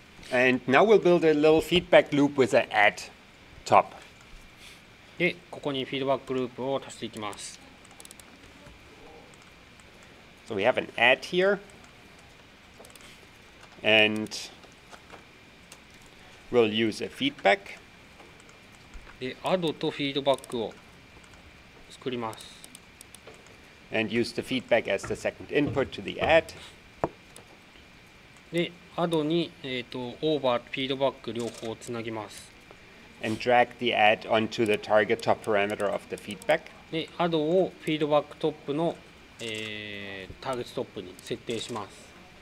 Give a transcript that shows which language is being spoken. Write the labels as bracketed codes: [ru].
[en] And now we'll build a little feedback loop with an add top. [ja] で、ここにフィードバックループを足していきます。 [en] So we have an add here. And we'll use a feedback. [ja] で、アドとフィードバックを作ります。 [en] And use the feedback as the second input to the add. [ja] で、アドに、オーバーとフィードバック両方をつなぎます。 [en] And drag the add onto the target top parameter of the feedback. [ja] で、アドをフィードバックトップの、ターゲットトップに設定します。